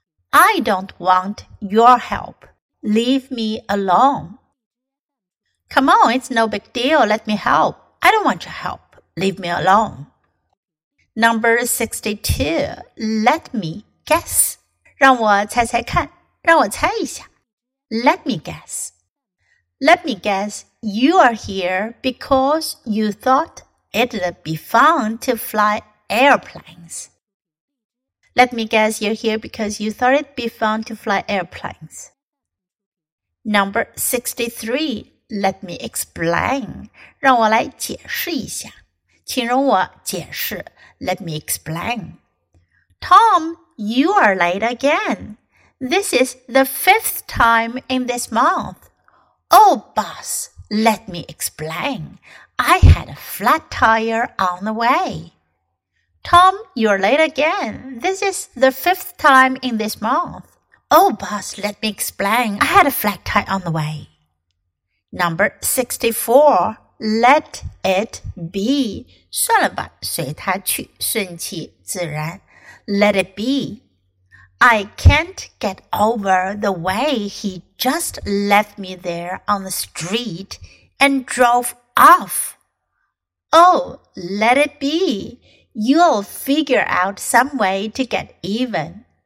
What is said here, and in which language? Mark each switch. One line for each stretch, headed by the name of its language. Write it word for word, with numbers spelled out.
English: I don't want your help. Leave me alone. Come on, it's no big deal. Let me help. I don't want your help. Leave me alone. Number sixty-two. Let me guess.
Chinese: 让我猜猜看，让我猜一下。
English: Let me guess. Let me guess. You are here because you thought it'd be fun to fly airplanes. Let me guess. You're here because you thought it'd be fun to fly airplanes. Number sixty-three. Let me explain.
Chinese: 让我来解释一下。请容我解释。
English: Let me explain. Tom, you are late again. This is the fifth time in this month. Oh, boss, let me explain. I had a flat tire on the way. Tom, you are late again. This is the fifth time in this month. Oh, boss, let me explain. I had a flat tire on the way. Number sixty-four, let it be.
Chinese: 算了吧，随它去，顺其自然。
English: Let it be. I can't get over the way he just left me there on the street and drove off. Oh, let it be. You'll figure out some way to get even.